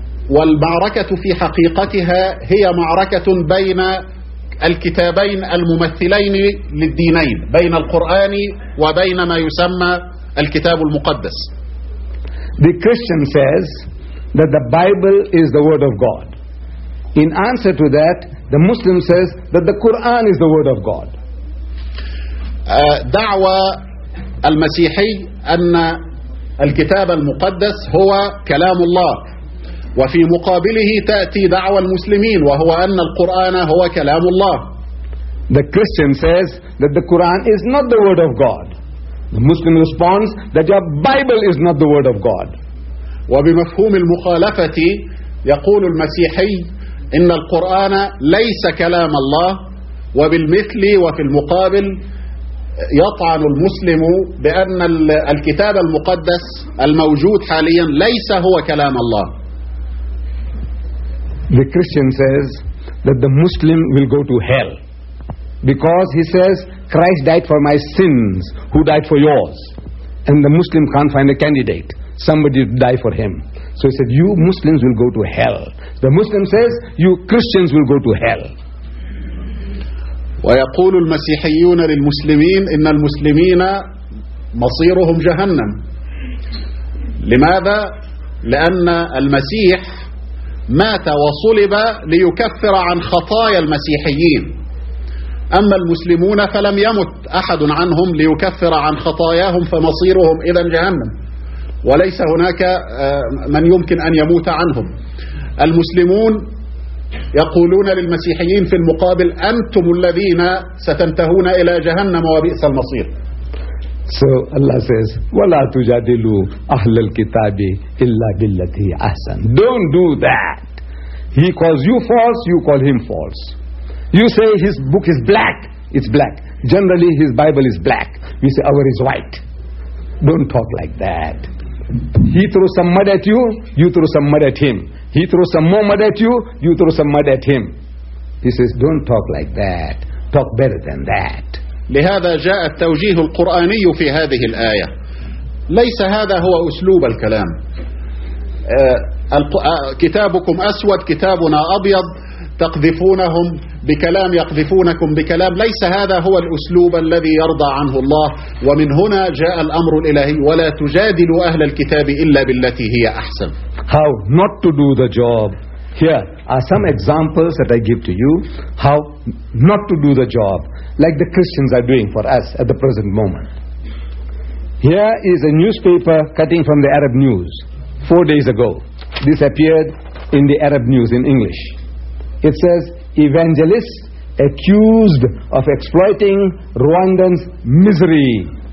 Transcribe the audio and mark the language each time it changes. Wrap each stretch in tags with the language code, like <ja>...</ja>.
<ar>والمعركة في حقيقتها هي معركة بين الكتابين الممثلين للدينين، بين القرآن وبين ما يسمى الكتاب المقدس.</ar> <en>The Christian says that the Bible is the word of God. In answer to that, the Muslim says that the Quran is the word of God.</en> <ar>دعوة المسيحي أن الكتاب المقدس هو كلام الله، وفي مقابله تأتي دعوى المسلمين وهو أن القرآن هو كلام الله.</ar> <en>The Christian says that the Quran is not the word of God. The Muslim responds that your Bible is not the word of God.</en> <ar>وبمفهوم المخالفة يقول المسيحي إن القرآن ليس كلام الله، وبالمثل وفي المقابل يطعن المسلم بأن الكتاب المقدس الموجود حاليا ليس هو كلام الله.</ar> <en>The Christian says that the Muslim will go to hell because he says Christ died for my sins, who died for yours, and the Muslim can't find a candidate, somebody to die for him. So he said, you Muslims will go to hell. The Muslim says, you Christians will go to hell.</en> <ar>ويقول المسيحيون للمسلمين إن المسلمين مصيرهم جهنم. لماذا؟ لأن المسيح مات وصلب ليكفر عن خطايا المسيحيين، أما المسلمون فلم يمت أحد عنهم ليكفر عن خطاياهم، فمصيرهم إذن جهنم، وليس هناك من يمكن أن يموت عنهم. المسلمون يقولون للمسيحيين في المقابل أنتم الذين ستنتهون إلى جهنم وبئس المصير.</ar> <en>So Allah says</en> <ar>ولا تجادلوا أهل الكتاب إلا بالتي هي أحسن.</ar> <en>Don't do that. He calls you false, you call him false. You say his book is black, it's black. Generally his Bible is black, we say our is white. Don't talk like that. He throws some mud at you, you throw some mud at him. He throws some more mud at you, you throw some mud at him. He says, don't talk like that. Talk better than that.</en> <ar>لهذا جاء التوجيه القرآني في هذه الآية. ليس هذا هو أسلوب الكلام. كتابكم أسود، كتابنا أبيض، تقذفونهم بكلام، يقذفونكم بكلام. ليس هذا هو الأسلوب الذي يرضى عنه الله. ومن هنا جاء الأمر الإلهي ولا تجادلوا أهل الكتاب إلا بالتي هي أحسن.</ar> <en>How not to do the job. Here are some examples that I give to you. How not to do the job, like the Christians are doing for us at the present moment. Here is a newspaper cutting from the Arab news 4 days ago. This appeared in the Arab news in English. It says, evangelists accused of exploiting Rwandan's misery.</en>